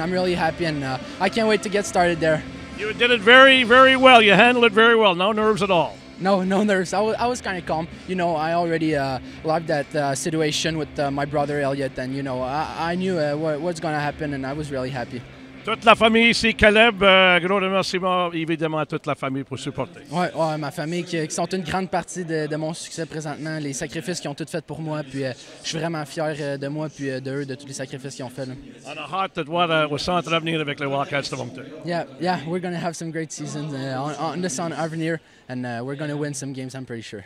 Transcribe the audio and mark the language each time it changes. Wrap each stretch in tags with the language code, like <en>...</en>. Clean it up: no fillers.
<en>I'm really happy and I can't wait to get started there. You did it very, very well. You handled it very well. No nerves at all. No nerves. I was kind of calm. You know, I already loved that situation with my brother Elliot, and you know, I knew what's going to happen, and I was really happy.</en> <fr>Toute la famille ici, Caleb. Gros remerciement évidemment à toute la famille pour supporter. Ouais, ma famille qui sont une grande partie de mon succès présentement, les sacrifices qu'ils ont tous fait pour moi, puis je suis vraiment fier de moi puis d'eux, de tous les sacrifices qu'ils ont fait. On a hâte de te voir au centre d'avenir avec les Wildcats de Moncton.</fr> <en>Yeah, we're gonna have some great seasons on this on avenir, and we're gonna win some games, I'm pretty sure.</en>